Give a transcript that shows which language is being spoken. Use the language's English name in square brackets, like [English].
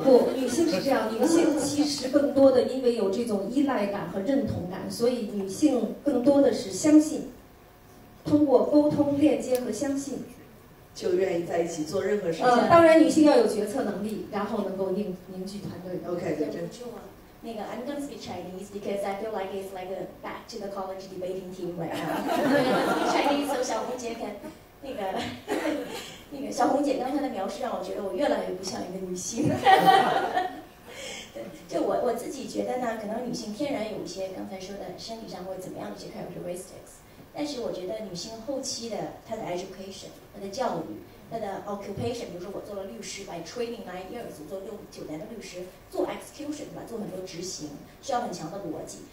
[Chinese] 不，女性是这样，女性其实更多的因为有这种依赖感和认同感，所以女性更多的是相信，通过沟通、链接和相信，就愿意在一起做任何事情。当然女性要有决策能力，然后能够凝聚团队。 OK， 对对。那个 [English] I'm gonna speak Chinese because I feel like it's like a back to the college debating team right now. [Chinese] Chinese， 小红姐跟那个小红姐刚才的描述让我觉得我越来越不像一个女性。就我自己觉得呢，可能女性天然有一些刚才说的身体上会怎么样一些 characteristics， 但是我觉得女性后期的她的 education， 她的教育，她的 occupation， 比如说我做了律师 ， [English] by training 9 years， [Chinese] 我做九年的律师，做 execution 吧，做很多执行，需要很强的逻辑。